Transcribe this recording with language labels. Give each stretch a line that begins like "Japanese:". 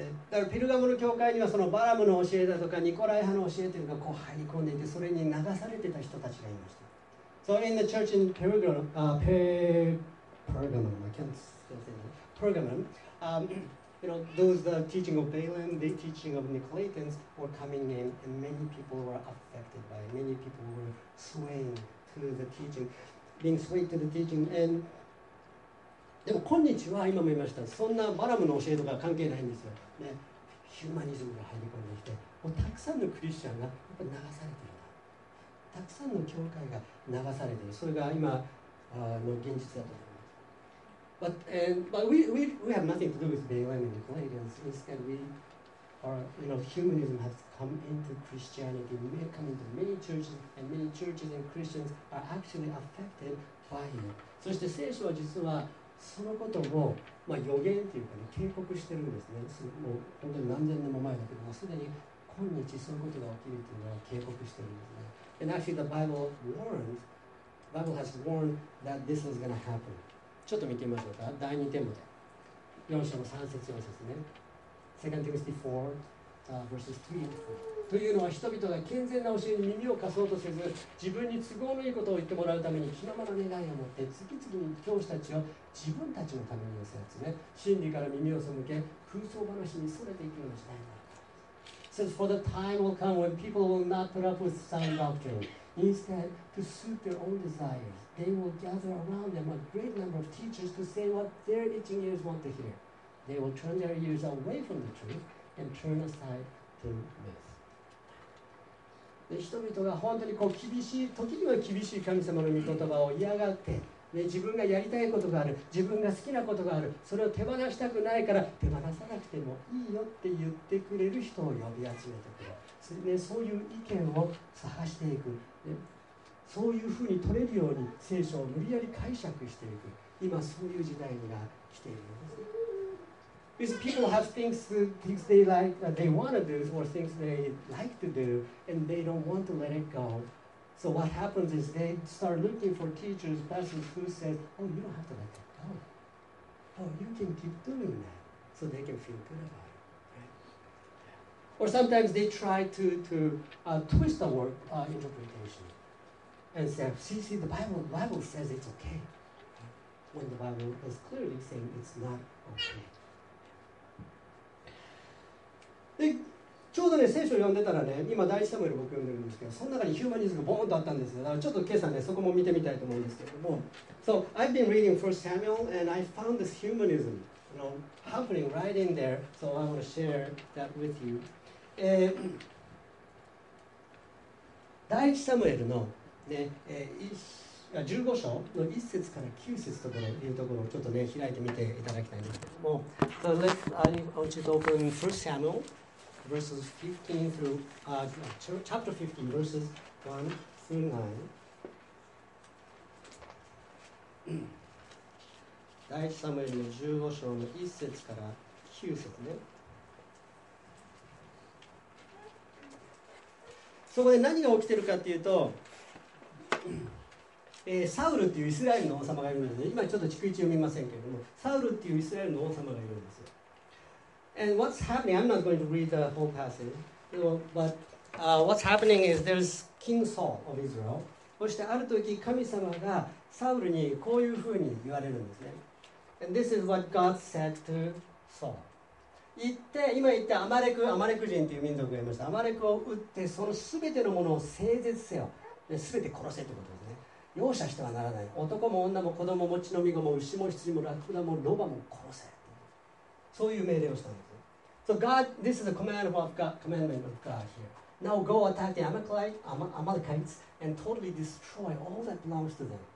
Japanese: だからピルガムの教会にはそのバラムの教えだとかニコライ派の教えというのがこう入り込んでいて、それに流されてた人たちがいました。
English: So in the church in Pergamum, you know, those the teaching of Balaam, the teaching of Nicolaitans were coming in, and many people were affected by it. Many people were swaying to the teaching, being swayed to the teaching.
Japanese: And でも今日は今も言いました。そんなバラムの教えとか関係ないんですよ。ね、ヒューマニズムが入り込んできて、もうたくさんのクリスチャンがやっぱ流されているんだ。たくさんの教会が流されている。それが今の現実だと。
English: But we have nothing to do with Balaam and the Nicolaitans. Instead, we are, you know, humanism has come into Christianity. We have come into many churches, and many churches and Christians are actually affected by it.
Japanese: そして聖書は実はそのことを、まあ、予言というか、ね、警告してるんですね。もう本当に何千年も前だけど、もうすでに今日そういうことが起きるというのは警告してるんですね。
English: And actually, the Bible warns. Bible has warned that this is going to happen.
Japanese: ちょっと見てみましょうか。第2テモテ4章の3節4節ね。
English: 2 Timothy 4 verses 3 to 4
Japanese: というのは、人々が健全な教えに耳を貸そうとせず、自分に都合のいいことを言ってもらうために気のまま願いを持って次々に教師たちを自分たちのために寄せ集め、真理から耳を背け空想話にそれていくような時代になる。
English: Says for the time will come when people will not put up with sound doctrineInstead, to suit their own desires, they will gather around them a great number of teachers to say what their itching ears want to hear. They will turn their ears away from the truth and turn aside to myth.
Japanese: で、人々が本当にこう厳しい、時には厳しい神様の御言葉を嫌がって、ね、自分がやりたいことがある、自分が好きなことがある、それを手放したくないから手放さなくてもいいよって言ってくれる人を呼び集めてくる。ね、そういう意見を探していく、ね、そういうふうに取れるように聖書を無理やり解釈していく、今そういう時代が来ているんです。
English: These people have things they like, they want to do, or things they like to do, and they don't want to let it go. So what happens is they start looking for teachers, pastors who said, oh, you don't have to let it go. Oh, you can keep doing that, so they can feel good about it. Or sometimes they try to twist the word interpretation and say, see, the Bible says it's okay. When the Bible is clearly saying it's not okay.
Japanese: で、ちょうどね、聖書を読んでたらね、今第1サムエル僕読んでるんですけど、その中にヒューマニズムがボーンとあったんですよ。だからちょっと今朝ね、そこも見てみたいと思うんですけども。
English: So, I've been reading 1 Samuel and I found this humanism, you know, happening right in there. So I want to share that with you.
Japanese: 第1サムエルの、ね、15章の1節から9節というところをちょっと、ね、開いてみていただきたいんですけども、
English: so、let's, I want you to open 1 Samuel verses 15 through, chapter 15 verses 1 through 9
Japanese: 第1サムエルの15章の1節から9節ね。そこで何が起きてるかっていうと、サウルっていうイスラエルの王様がいるんですね。今ちょっと逐一読みませんけれども、サウルっていうイスラエルの王様がいるんですよ。
English: And what's happening, I'm not going to read the whole passage, but what's happening is there's King Saul of Israel.
Japanese: そしてある時神様がサウルにこういうふうに言われるんですね。
English: And this is what God said to Saul.
Japanese: 今言ってアマレク人という民族がいました。アマレクを撃ってそのすべてのものを清絶せよ、すべて殺せということですね。容赦してはならない。男も女も子供も血のみごも牛も羊もラクダもロバも殺せ、そういう命令をしたんです。
English: So God, this is a commandment of God here. Now go attack the Amalekites and totally destroy all that belongs to them.